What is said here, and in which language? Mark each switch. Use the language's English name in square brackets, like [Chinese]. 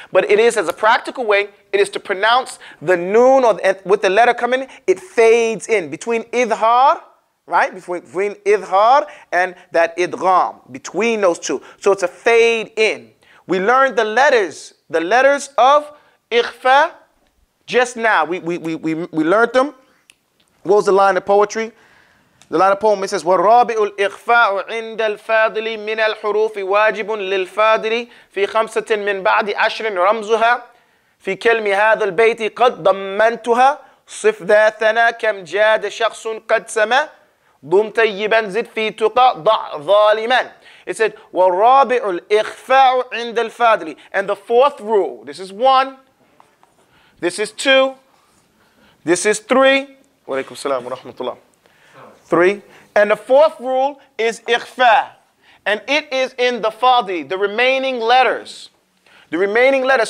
[English] But it is, as a practical way, it is to pronounce the noon or with the letter coming, it fades in between idhar, right? Between idhar and that idgham, between those two. So it's a fade in. We learned the letters of ikhfa just now. We learned them. What was the line of poetry? The line of poem, it says, [Arabic] وَالرَّابِعُ الْإِخْفَاءُ عِنْدَ الْفَاضِلِ مِنَ الْحُرُوفِ وَاجِبٌ لِلْفَاضِلِ فِي خَمْسَةٍ مِنْ بَعْدِ عَشْرٍ رَمْزُهَا فِي كَلْمِ هَذَا الْبَيْتِ قَدْ ضَمَّنْتُهَا صِفْ ذَاتَنَا كَمْ جَادَ شَخْصٌ قَدْ سَمَى ضُمْ تَيِّبًا زِدْ فِي تُقَى ضَعْ ظَالِمًا. [English] It said, [Arabic] وَالرَّابِعُ الْإِخْفَاءُ عِنْدَ الْفَاضِلِ. [English] And the fourth rule, this is one, this is two, this is three, [Arabic] walaikum salam wa rahmatullah. [English] Three. And the fourth rule is ikhfa. And it is in the fadi, the remaining letters. The remaining letters.